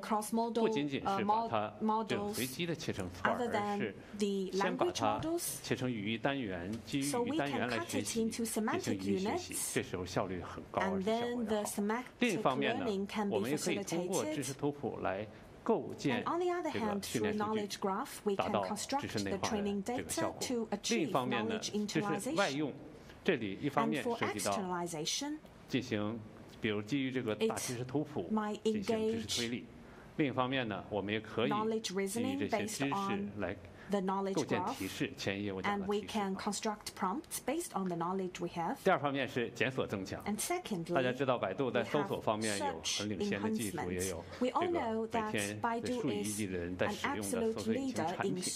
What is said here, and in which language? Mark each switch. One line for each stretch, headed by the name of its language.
English: cross-model,
Chinese: 不仅仅是把它就随机的切成串，
English: other than
Chinese: 而是先把它切成语义单元，基于语义单元来学习，进行语义学习。这时候效率很高，而且效果也好。另一方面呢，我们也可以通过知识图谱来。
English: And on the other hand, through knowledge graph, we can construct the training data to achieve knowledge internalization. And for externalization, it might engage knowledge reasoning based on the knowledge graph, and we can construct prompts based on the knowledge we have.
Chinese: 第二方面是检索增强。
English: And secondly,
Chinese: 大家知道百度在搜索方面有很领先的技术，也有这个每天数以亿计的人在使用的搜索引擎产品。